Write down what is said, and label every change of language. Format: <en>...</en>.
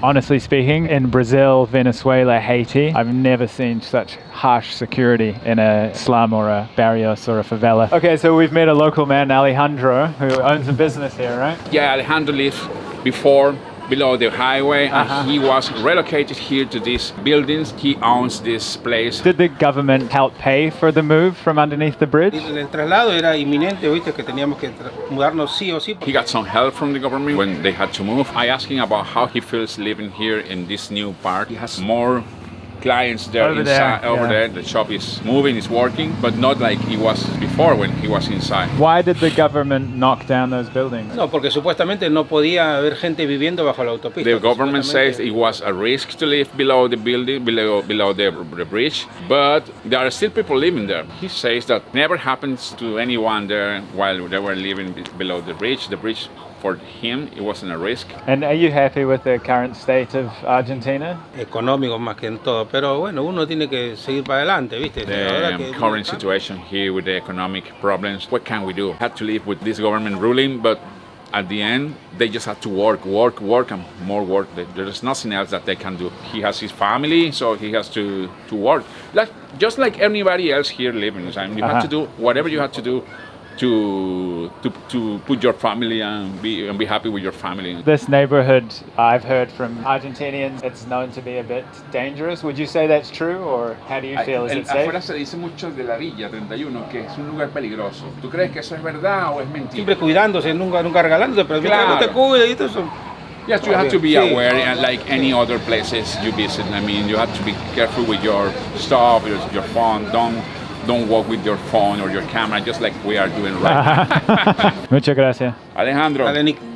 <en>Honestly speaking, in Brazil, Venezuela, Haiti, I've never seen such harsh security in a slum or a barrios or a favela. Okay, so we've met a local man, Alejandro, who owns a business here, right? Yeah, Alejandro lived before below the highway, uh-huh. and he was relocated here to these buildings. He owns this place. Did the government help pay for the move from underneath the bridge?</en> <es>El traslado era inminente, viste, que teníamos que mudarnos sí o sí.</es> <en>He got some help from the government when they had to move. I asked him about how he feels living here in this new park. He has more clients there over inside, there. The shop is moving, it's working, but not like it was before when he was inside. Why did the government knock down those buildings?</en> <es>No, porque supuestamente no podía haber gente viviendo bajo la autopista.</es> <en>The government says it was a risk to live below the building, below the bridge, but there are still people living there. He says that never happens to anyone there while they were living below the bridge. The bridge, for him, it wasn't a risk. And are you happy with the current state of Argentina?</en> <es>Económico más que en todo, pero bueno, uno tiene que seguir para adelante, ¿viste?</es> <en>The current situation here with the economic problems, what can we do? Had to live with this government ruling, but at the end, they just had to work, and more work. There's nothing else that they can do. He has his family, so he has to work. Like, just like anybody else here living, I mean, you uh-huh. have to do whatever you have to do to put your family and be happy with your family. This neighborhood, I've heard from Argentinians, it's known to be a bit dangerous. Would you say that's true, or how do you feel? Is it safe?</en> <es>Afuera se dice mucho de la Villa 31, que es un lugar peligroso. ¿Tú crees que eso es verdad o es mentira? Siempre cuidándose, nunca regalándose, pero claro. No te cuides y todo eso.</es> <en>Yes, you have to be aware, like any other places you visit. I mean, you have to be careful with your stuff, your phone. Don't walk with your phone or your camera, just like we are doing right now.</en> <es>Muchas gracias. Alejandro. Dale, Nick.</es>